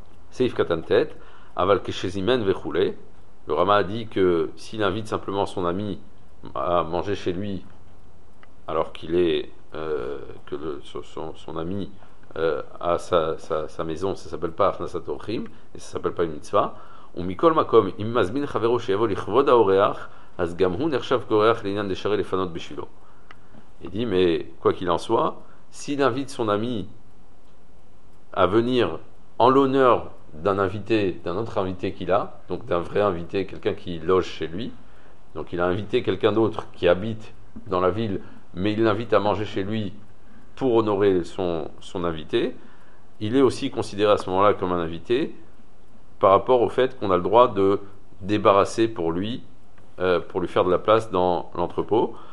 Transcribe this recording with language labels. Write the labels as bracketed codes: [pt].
[he] Seif Katantet, Aval Keshezimen Vechule. [fr] Le Rama a dit que s'il invite simplement son ami à manger chez lui alors qu'il est son ami à sa maison, ça ne s'appelle pas Achnasat Orchim et ça ne s'appelle pas une mitzvah. [he] ומכל מקום, אם מזמין חברו שיבוא לכבוד האורח, אז גם הוא נחשב כאורח לעניין דשרי לפנות בשבילו. [fr] Il dit, mais quoi qu'il en soit, s'il invite son ami à venir en l'honneur d'un invité, d'un autre invité qu'il a, donc d'un vrai invité, quelqu'un qui loge chez lui, donc il a invité quelqu'un d'autre qui habite dans la ville, mais il l'invite à manger chez lui pour honorer son invité, il est aussi considéré à ce moment-là comme un invité, par rapport au fait qu'on a le droit de débarrasser pour lui faire de la place dans l'entrepôt.